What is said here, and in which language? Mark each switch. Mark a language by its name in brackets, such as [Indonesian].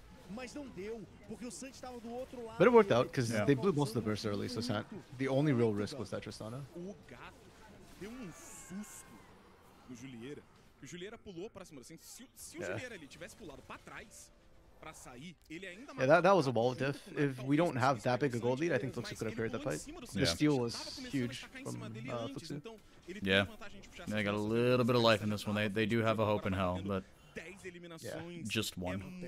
[Portuguese] Mas não deu, porque o Sant estava do outro lado. [English] But it worked out because they blew most of the burst early, so Sant, the only real risk was that Tristana. [Portuguese] O gato deu um susto no Juliera. O Juliera pulou pra cima. Assim, se o Juliera ali tivesse pulado pra trás pra sair, ele ainda mais. [English] That was a wall diff. If we don't have that big a gold lead, I think Fluxu could have carried that fight. Yeah. The steal was huge from Fluxu. Yeah. They got a little bit of life in this one. They do have a hope in hell, but just one.